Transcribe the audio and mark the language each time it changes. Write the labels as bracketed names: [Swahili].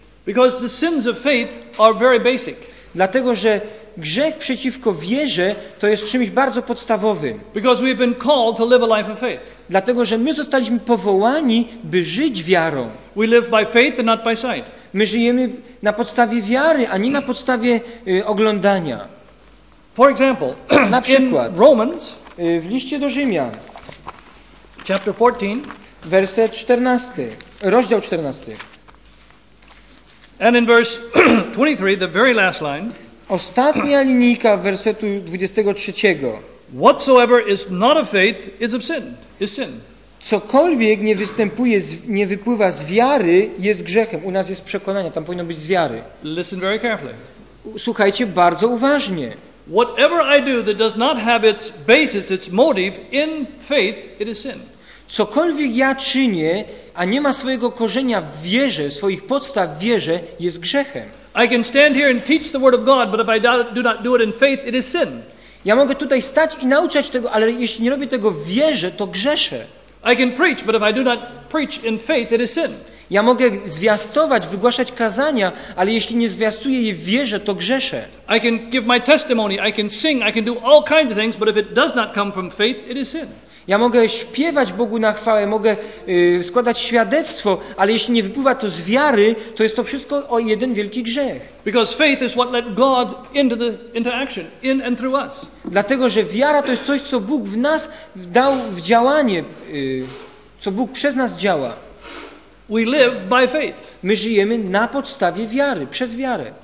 [English] Because the sins of faith are very basic. [Polish] Dlatego, że grzech przeciwko wierze to jest czymś bardzo podstawowym. [English] Because we have been called to live a life of faith. [Polish] Dlatego, że my zostaliśmy powołani, by żyć wiarą. [English] We live by faith and not by sight. [Polish] My żyjemy na podstawie wiary, a nie na podstawie oglądania. [English] For example, [Polish] na przykład, [English] in Romans, [Polish] w liście do Rzymian, [English] chapter 14, [Polish] werset 14, rozdział 14. [English] And in verse 23, the very last line. [Polish] Ostatnia linijka wersetu 23. [English] Whatsoever is not of faith is of sin. Is sin. [Polish] Cokolwiek nie występuje, nie wypływa z wiary, jest grzechem. U nas jest przekonanie, tam powinno być z wiary. [English] Listen very carefully. [Polish] Słuchajcie bardzo uważnie. [English] Whatever I do that does not have its basis, its motive in faith, it is sin. [Polish] Cokolwiek ja czynię, a nie ma swojego korzenia w wierze, swoich podstaw w wierze, jest grzechem. [English] I can stand here and teach the word of God, but if I do not do it in faith, it is sin. [Polish] Ja mogę tutaj stać i nauczać tego, ale jeśli nie robię tego w wierze, to grzeszę. [English] I can preach, but if I do not preach in faith, it is sin. [Polish] Ja mogę zwiastować, wygłaszać kazania, ale jeśli nie zwiastuję je w wierze, to grzeszę. [English] I can give my testimony, I can sing, I can do all kinds of things, but if it does not come from faith, it is sin. [Polish] Ja mogę śpiewać Bogu na chwałę, mogę składać świadectwo, ale jeśli nie wypływa to z wiary, to jest to wszystko o jeden wielki grzech. [English] Because faith is what let God into the interaction, in and through us. [Polish] Dlatego, że wiara to jest coś, co Bóg w nas dał w działanie, co Bóg przez nas działa. [English] We live by faith. [Polish] My żyjemy na podstawie wiary, przez wiarę.